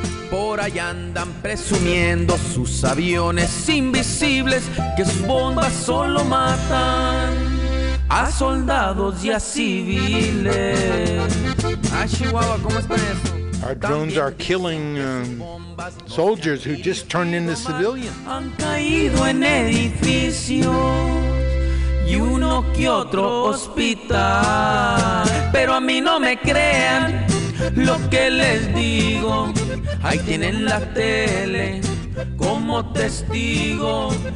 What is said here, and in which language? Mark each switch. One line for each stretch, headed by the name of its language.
Spanish: Por allá andan presumiendo sus aviones invisibles, que sus bombas solo matan a soldados y a civiles. Ah, Chihuahua, ¿cómo está eso?
English: Our drones are killing soldiers who just turned into civilians.
Spanish: Han caído en edificios y uno que otro hospital. Pero a mí no me crean lo que les digo, ahí tienen la tele como testigo.